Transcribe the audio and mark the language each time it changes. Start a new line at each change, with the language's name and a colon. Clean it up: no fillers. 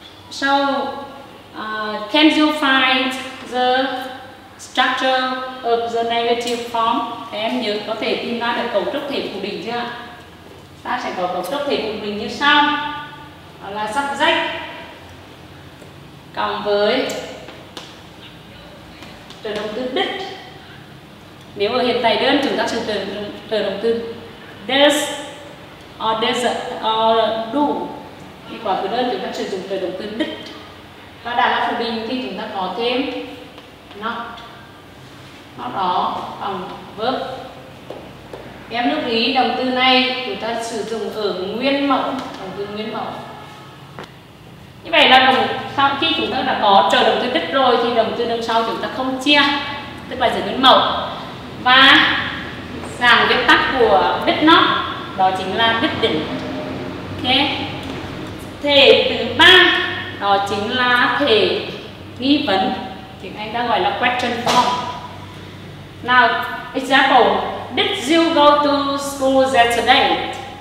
English: So, can you find the structure of the negative form?
Vietnamese: Em nhớ có thể tìm ra được cấu trúc thể phủ định chưa? Ta sẽ có cấu trúc thể phủ định như sau. Đó là subject cộng với trợ động từ did. Nếu ở hiện tại đơn chúng ta sẽ trợ động từ does or does or do. Khi quá khứ đơn chúng ta sử dụng trợ động từ did. Và đã là phủ định thì chúng ta có thêm not. Nó đó bằng verb. Em lưu ý động từ này chúng ta sử dụng ở nguyên mẫu, động từ nguyên mẫu. Như vậy là sau khi chúng ta đã có trợ động từ đích rồi thì động từ đằng sau chúng ta không chia, tức là giữ nguyên mẫu. Và dạng viết tắt của did not đó chính là did didn't. Okay. Thể thứ ba đó chính là thể nghi vấn, tiếng Anh ta gọi là question form.
English: Now, example, did you go to school yesterday?